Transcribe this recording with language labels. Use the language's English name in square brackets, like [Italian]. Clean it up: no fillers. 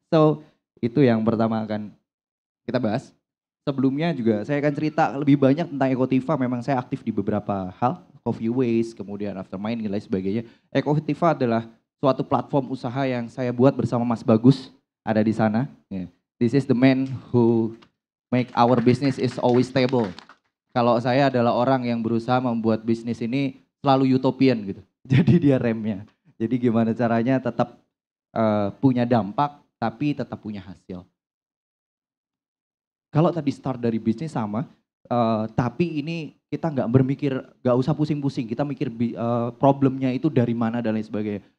[Indonesian] So itu yang pertama akan kita bahas. Sebelumnya juga saya akan cerita lebih banyak tentang Ecotiva. Memang saya aktif di beberapa hal, coffee waste, kemudian after mining, lain sebagainya. Ecotiva adalah suatu platform usaha yang saya buat bersama Mas Bagus, ada di sana. Yeah. [English] This is the man who make our business is always stable. [Indonesian] Kalau saya adalah orang yang berusaha membuat bisnis ini selalu utopian gitu. Jadi dia remnya. Jadi gimana caranya tetap punya dampak, tapi tetap punya hasil. Kalau tadi start dari bisnis sama, tapi ini kita nggak bermikir, nggak usah pusing-pusing, kita mikir problemnya itu dari mana dan lain sebagainya.